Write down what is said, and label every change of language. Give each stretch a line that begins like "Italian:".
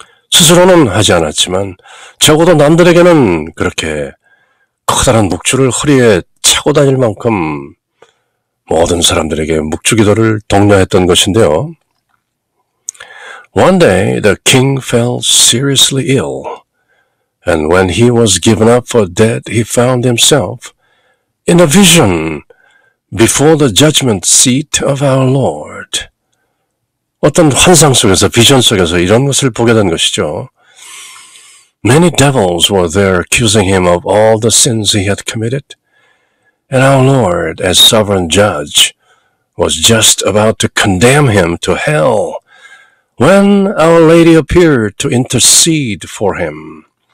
Korean: 스스로는 하지 않았지만 적어도 남들에게는 그렇게 커다란 묵주를 허리에 차고 다닐 만큼 모든 사람들에게 묵주기도를 독려했던 것인데요.
English: One day, the king fell seriously ill, and when he was given up for dead, he found himself in a vision before the judgment seat of our Lord.
Korean: 어떤 환상 속에서, 비전 속에서 이런 것을 보게 된 것이죠.
English: Many devils were there accusing him of all the sins he had committed, and our Lord, as sovereign judge, was just about to condemn him to hell. When Our Lady appeared to intercede for him.